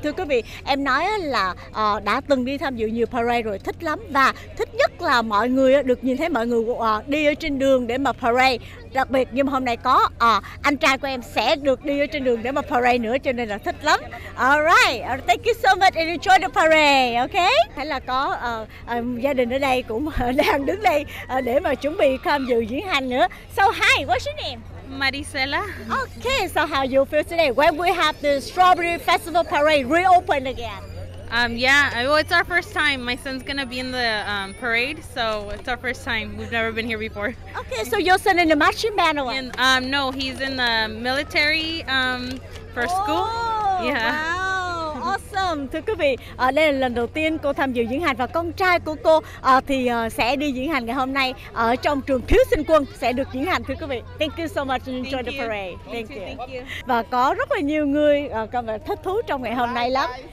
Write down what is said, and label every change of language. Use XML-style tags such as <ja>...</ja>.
<vi>Thưa quý vị, em nói là đã từng đi tham dự nhiều parade rồi, thích lắm. Và thích nhất là mọi người được nhìn thấy mọi người đi ở trên đường để mà parade. Đặc biệt nhưng mà hôm nay có anh trai của em sẽ được đi ở trên đường để mà parade nữa, cho nên là thích lắm.</vi> <en>Alright, thank you so much and enjoy the parade, okay?</en> <vi>Hay là có gia đình ở đây cũng đang đứng đây để mà chuẩn bị tham dự diễn hành nữa.</vi> <en>So hi, what's your name? Maricela. Okay, so how you feel today when we have the Strawberry Festival Parade reopened again? It's our first time. My son's gonna be in the parade, so it's our first time. We've never been here before. Okay, so your son in the marching band or what? No, he's in the military for school. Yeah. Awesome.</en> <vi>Thưa quý vị, đây là lần đầu tiên cô tham dự diễn hành và con trai của cô thì sẽ đi diễn hành ngày hôm nay ở trong trường thiếu sinh quân sẽ được diễn hành. Thưa quý vị,</vi> <en>thank you so much and enjoy the parade. Thank you.</en> <vi>Và có rất là nhiều người thích thú trong ngày hôm nay lắm.</vi>